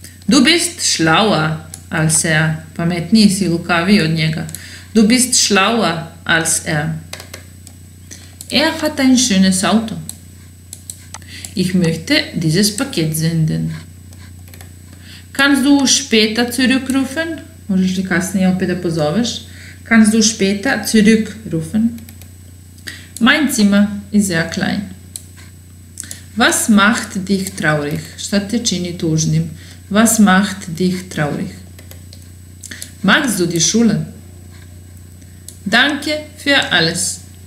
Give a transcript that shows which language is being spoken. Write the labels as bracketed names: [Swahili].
[German] Du bist schlauer als er. [Serbian] Pametniji si, lukaviji od njega. [German] Du bist schlauer als er. Er hat ein schönes Auto. Ich möchte dieses Paket senden. Kannst du später zurückrufen? [Serbian] Možeš li kasnije opet da pozoveš? [German] Kannst du später zurückrufen? Mein Zimmer ist sehr klein. Was macht dich traurig? [Serbian] Šta te čini tužnim? [German] Was macht dich traurig? Magst du die Schule? Danke für alles.